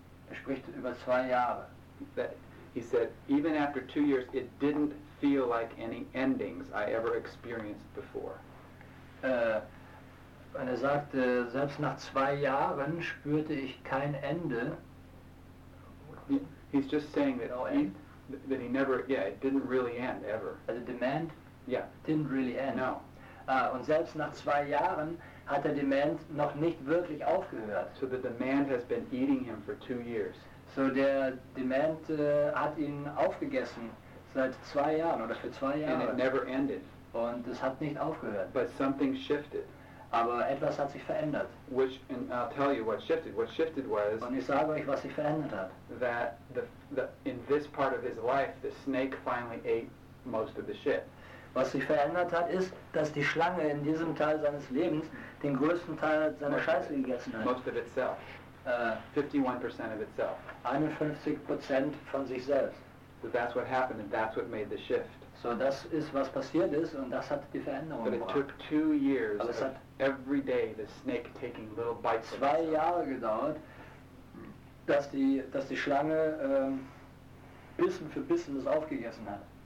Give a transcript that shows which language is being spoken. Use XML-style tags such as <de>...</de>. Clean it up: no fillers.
<de>Er spricht über 2 Jahre.</de> <en>That he said, even after 2 years, it didn't feel like any endings I ever experienced before.</en> <de>Und er sagte, selbst nach 2 Jahren spürte ich kein Ende.</de> <en>He's just saying that, that he never, it didn't really end, ever. The demand? Yeah. Didn't really end. No.</en> <de>Und selbst nach 2 Jahren hat der Demand noch nicht wirklich aufgehört.</de> <en>So the demand has been eating him for 2 years.</en> <de>So der Demand hat ihn aufgegessen seit 2 Jahren oder für 2 Jahre.</de> <en>And it never ended.</en> <de>Und es hat nicht aufgehört.</de> <en>But something shifted.</en> <de>Aber etwas hat sich verändert.</de> <en>Which, and I'll tell you what shifted. What shifted was,</en> <de>und ich sage euch, was sich verändert hat.</de> <en>That the in this part of his life, the snake finally ate most of the shit.</en> <de>Was sich verändert hat, ist, dass die Schlange in diesem Teil seines Lebens den größten Teil seiner Scheiße gegessen hat.</de> <en>Most of itself. 51% of itself.</en> <de>51% von sich selbst.</de> <en>So that's what happened and that's what made the shift.</en> <de>So das ist, was passiert ist, und das hat die Veränderung gebracht.</de> <en>But it took 2 years of every day the snake taking little bites.</en> <de>2 Jahre gedauert, dass die Schlange Bissen für Bissen das aufgegessen hat.</de>